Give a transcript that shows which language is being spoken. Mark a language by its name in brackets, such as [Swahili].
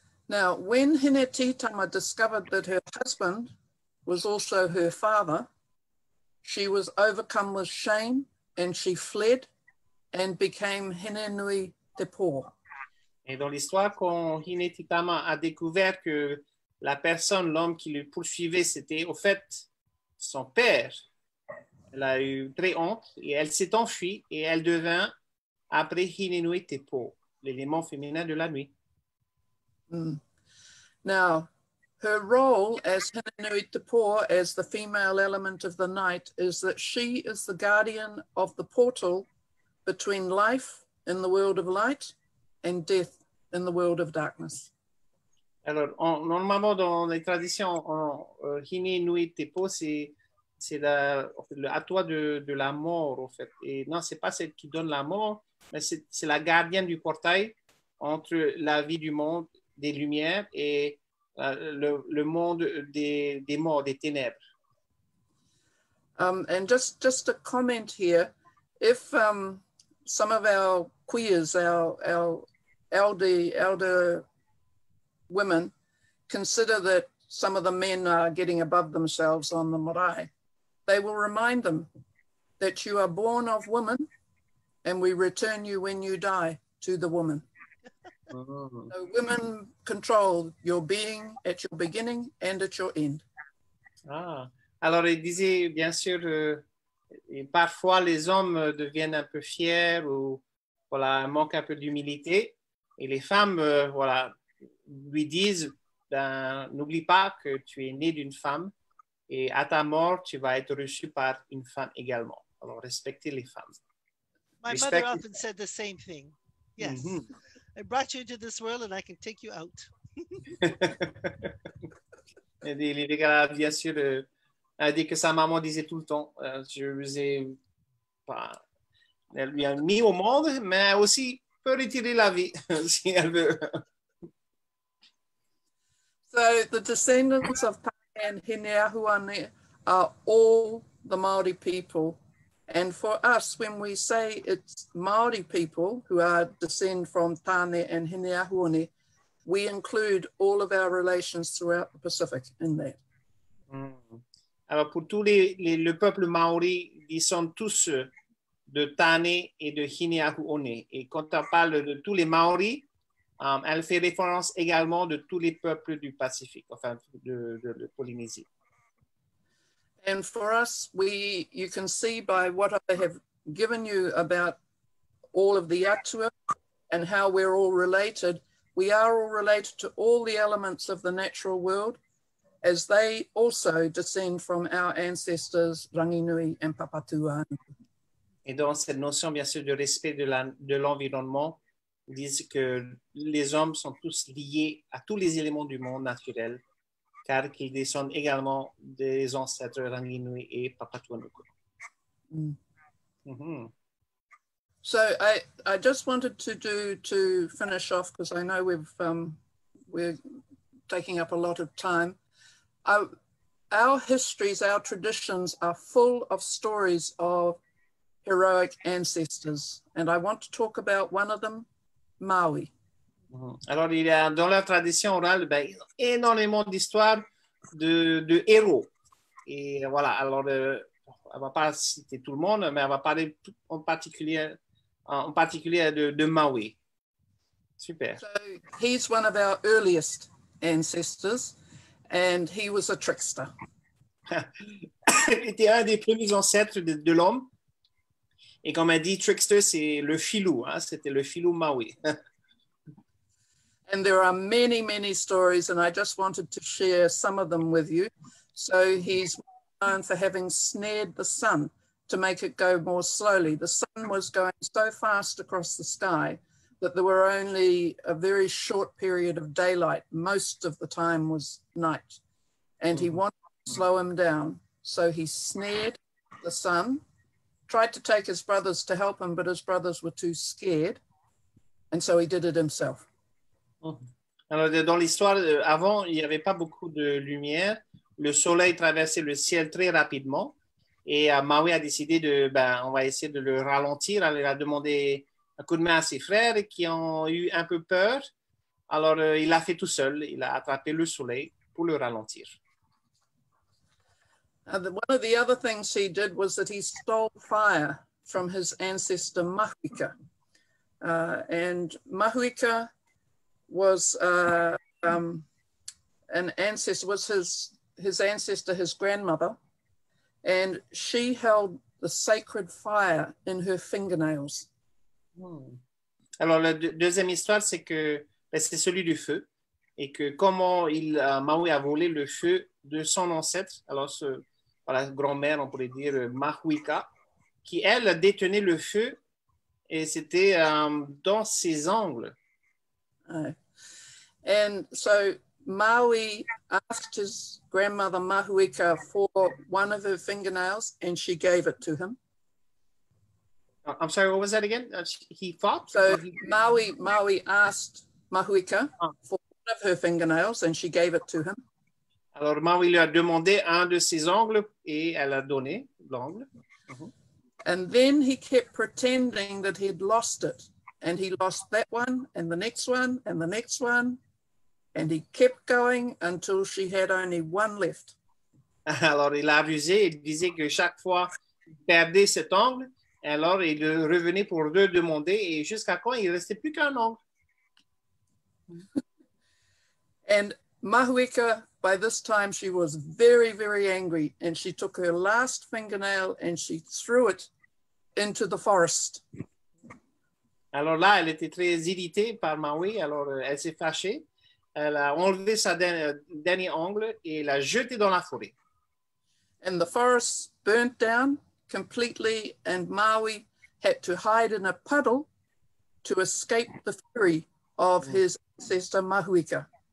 [English] Now, when Hineti-tama discovered that her husband was also her father, she was overcome with shame and she fled and became Hinenui te Pō. [French] Et dans l'histoire, quand Hineti-tama a découvert que la personne, l'homme qui le poursuivait, c'était au fait son père, elle a eu très honte et elle s'est enfuie et elle devint après Hinenui te Pō, l'élément féminin de la nuit. [English] Now, her role as Hinenui te Pō, as the female element of the night, is that she is the guardian of the portal between life in the world of light and death in the world of darkness. [French] Alors, normalement, dans les traditions, Hinenui te Pō, c'est le atout de la mort, en fait. Et non, c'est pas celle qui donne la mort, mais c'est la gardienne du portail entre la vie du monde des lumières et le monde des morts, des ténèbres. [English] And just a comment here, if some of our queers, our elder women, consider that some of the men are getting above themselves on the marae, they will remind them that you are born of woman and we return you when you die to the woman. So women control your being at your beginning and at your end. [French] Ah, alors il disait bien sûr, parfois les hommes deviennent un peu fiers ou voilà, manquent un peu d'humilité. Et les femmes, voilà, lui disent, n'oublie pas que tu es né d'une femme et à ta mort, tu vas être reçu par une femme également. Alors respectez les femmes. [English] My mother often said the same thing. Yes. Mm-hmm. I brought you into this world and I can take you out. [French] Lilikalā, bien sûr, a dit que sa maman disait tout le temps, je vous ai pas, elle lui a mis au monde, mais aussi peut retirer la vie si elle veut. [English] So the descendants of Tane and Hineahuane are all the Māori people. And for us, when we say it's Māori people who are descended from Tāne and Hine Ahuone, we include all of our relations throughout the Pacific in that. [French] Alors pour tous le peuple Maori, ils sont tous de Tāne et de Hine Ahuone. Et quand on parle de tous les Maori, elle fait référence également de tous les peuples du Pacifique, enfin de Polynésie. [English] And for us, you can see by what I have given you about all of the Atua and how we're all related, we are all related to all the elements of the natural world, as they also descend from our ancestors, Ranginui and Papatuanuku. [French] Et dans cette notion, bien sûr, de respect de l'environnement, ils disent que les hommes sont tous liés à tous les éléments du monde naturel, car qu'ils descendent également des ancêtres Ranginui et Papatuanuku. [English] So I just wanted to finish off, because I know we're taking up a lot of time. Our histories, our traditions are full of stories of heroic ancestors. And I want to talk about one of them, Maui. [French] Alors, il y a dans la tradition orale énormément d'histoires de héros. Et voilà, alors, on ne va pas citer tout le monde, mais on va parler en particulier de Maui. Super. [English] So, he's one of our earliest ancestors. And he was a trickster. [French] Il était un des premiers ancêtres de l'homme. Et comme on dit, trickster, c'est le filou. Hein? C'était le filou Maui. [English] And there are many, many stories, and I just wanted to share some of them with you. So he's known for having snared the sun to make it go more slowly. The sun was going so fast across the sky that there were only a very short period of daylight. Most of the time was night. And he wanted to slow him down. So he snared the sun, tried to take his brothers to help him, but his brothers were too scared. And so he did it himself. [French] Alors, dans l'histoire, avant, il n'y avait pas beaucoup de lumière. Le soleil traversait le ciel très rapidement. Et Maui a décidé de, on va essayer de le ralentir. Il a demandé un coup de main à ses frères qui ont eu un peu peur. Alors, il l'a fait tout seul. Il a attrapé le soleil pour le ralentir. [English] One of the other things he did was that he stole fire from his ancestor Mahuika. And Mahuika was an ancestor, was his ancestor, his grandmother. And she held the sacred fire in her fingernails. [French] Alors, la deuxième histoire, c'est que c'est celui du feu et que comment Maui a volé le feu de son ancêtre, alors la grand-mère, on pourrait dire, Mahuika, qui, elle, détenait le feu et c'était dans ses ongles. [English] And so Maui asked his grandmother Mahuika for one of her fingernails and she gave it to him. I'm sorry, what was that again? He fought? So Maui asked Mahuika for one of her fingernails and she gave it to him. [French] Alors Maui lui a demandé un de ses ongles et elle a donné l'ongle. [English] And then he kept pretending that he'd lost it. And he lost that one and the next one and the next one. And he kept going until she had only one left. [French] Alors il a abusé, il disait que chaque fois il perdait cet ongle. Alors, il revenait pour deux demander et jusqu'à quand il restait plus qu'un ongle. [English] And Mahuika, by this time, she was very, very angry and she took her last fingernail and she threw it into the forest. [French] Alors là, elle était très irritée par Maui. Alors, elle s'est fâchée. Elle a enlevé sa dernier ongle et l'a jeté dans la forêt. [English] And the forest burnt down completely, and Maui had to hide in a puddle to escape the fury of his ancestor Mahuika.